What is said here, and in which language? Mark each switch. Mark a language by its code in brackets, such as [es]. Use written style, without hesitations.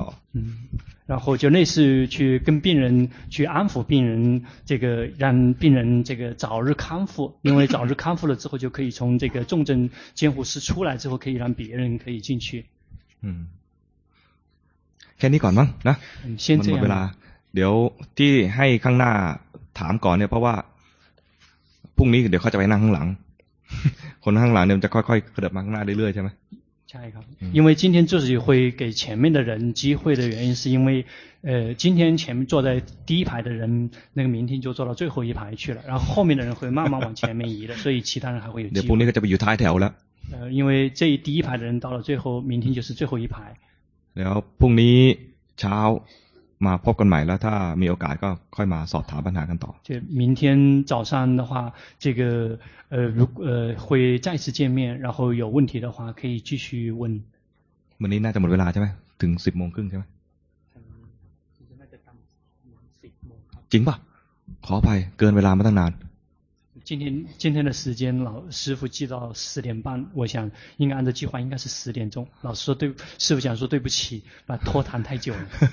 [zh] อ然后就类似去跟病人去安抚病人这个让病人这个早日康复因为早日康复了之后就可以从这个重症监护室出来之后可以让别人可以进去 [th] แค่นี้ก่อนมั้งนะ มัน หมดเวลาเดี๋ยวที่ให้ข้างหน้าถามก่อนเนี่ยเพราะว่าพรุ่งนี้เดี๋ยวเขาจะไปนั่งข้างหลังคนข้างหลังเนี่ยจะค่อยๆกระเดิบมาข้างหน้าเรื่อยๆใช่ไหม ใช่ครับ [zh] 因为今天就是会给前面的人机会的原因是因为今天前面坐在第一排的人那个明天就坐到最后一排去了然后后面的人会慢慢往前面移的所以其他人还会有机会 [th] เดี๋ยวพรุ่งนี้จะไปอยู่ท้ายแถวแล้ว [zh] 因为这第一排的人到了最后明天就是最后一排 [th] แล้วพรุ่งนี้เช้ามาพบกันใหม่แล้วถ้ามีโอกาสก็ค่อยมาสอบถามปัญหากันต่อ [zh] 就明天早上的话这个会再次见面然后有问题的话可以继续问 [th] วันนี้น่าจะหมดเวลาใช่ไหมถึง10โมงครึ่งใช่ไหมจริงป่ะขออภัยเกินเวลามาตั้งนาน [zh] 今天的时间老师父记到四点半，我想应该按照计划应该是十点钟，老师说对，师父想说对不起，把拖堂太久了。